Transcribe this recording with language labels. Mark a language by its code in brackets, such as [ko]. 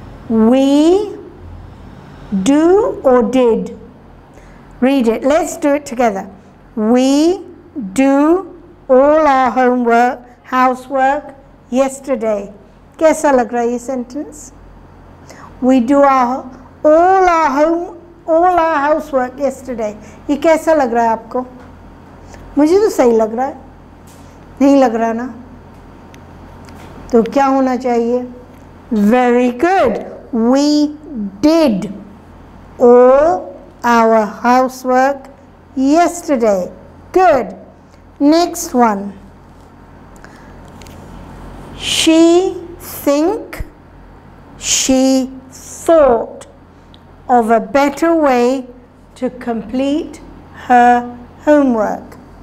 [en] We do or did. Read it. Let's do it together. We do all our homework, housework, yesterday. Guess I'll agree your sentence. We do all our housework yesterday. [hi] ये कैसा लग रहा है आपको? मुझे तो सही लग रहा है। नहीं लग रहा ना? तो क्या होना चाहिए? [en] Very good. We did all our housework yesterday. Good. Next one. She think, she thought of a better way to complete her homework.